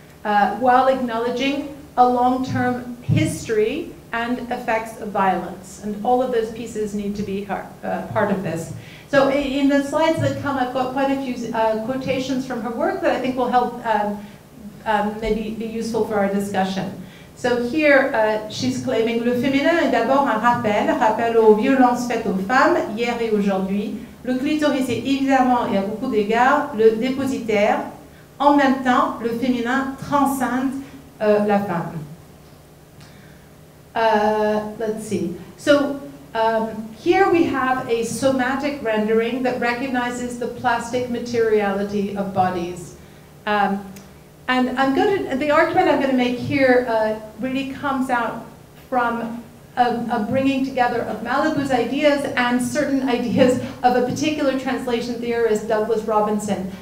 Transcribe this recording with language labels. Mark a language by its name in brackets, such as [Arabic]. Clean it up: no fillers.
[English] While acknowledging a long-term history and effects of violence. And all of those pieces need to be part of this. So in the slides that come, I've got quite a few quotations from her work that I think will help maybe be useful for our discussion. So here, she's claiming, [French] le féminin est d'abord un rappel aux violences faites aux femmes, hier et aujourd'hui. Le clitoris est évidemment, et à beaucoup d'égards, le dépositaire. En même temps, le féminin transcende la femme. [English] Let's see. So here we have a somatic rendering that recognizes the plastic materiality of bodies. And I'm going to, the argument I'm going to make here really comes out from a bringing together of Malabou's ideas and certain ideas of a particular translation theorist, Douglas Robinson.